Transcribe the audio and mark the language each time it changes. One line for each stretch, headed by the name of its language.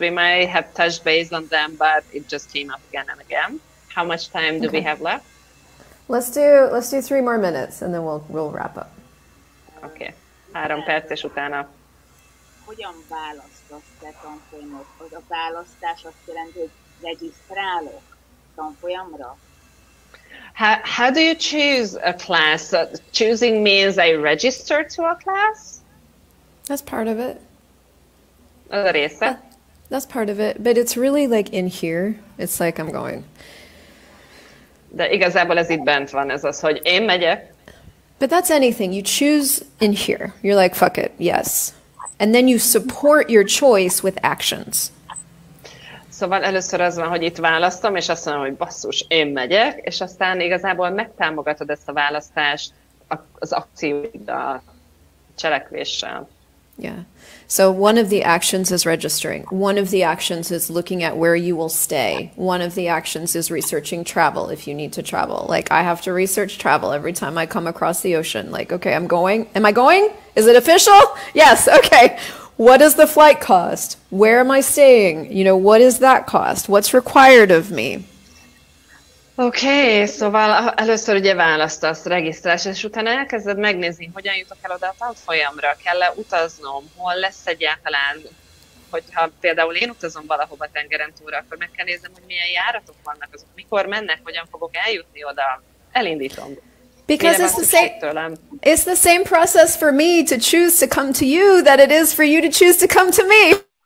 English: We might have touched base on them, but it just came up again and again. How much time do we have left? Let's do three more minutes, and then we'll wrap up.
Hungarian: Okay. Három perc és utána. Hogyan választasz te tanfolyamot? Az a választás azt jelenti, hogy regisztrálok tanfolyamra?
English: How do you choose a class? Choosing means I register to a class? That's part of it.
Hungarian: Az a része?
English: That's part of it, but it's really like in here. It's like I'm going.
Hungarian: De igazából ez itt bent van, ez az, hogy én megyek.
English: But that's anything. You choose in here. You're like, fuck it, yes. And then you support your choice with actions.
Hungarian: Szóval először az van, hogy itt választom, és azt mondom, hogy basszus, én megyek, és aztán igazából megtámogatod ezt a választást az akcióiddal, cselekvéssel.
English: Yeah. So one of the actions is registering. One of the actions is looking at where you will stay. One of the actions is researching travel if you need to travel. Like I have to research travel every time I come across the ocean. Like, okay, I'm going. Am I going? Is it official? Yes. Okay. What is the flight cost? Where am I staying? You know, what is that cost? What's required of me?
Hungarian: Okay, szóval először ugye választasz regisztrálás, és utána elkezded megnézni, hogyan jutok el oda a tanfolyamra, kell-e utaznom, hol lesz egyáltalán, hogyha például én utazom valahova tengeren túlra, akkor meg kell néznem, hogy milyen járatok vannak azok, mikor mennek, hogyan fogok eljutni oda, elindítom.
English: Because it's the same process for me to choose to come to you that it is for you to choose to come to me.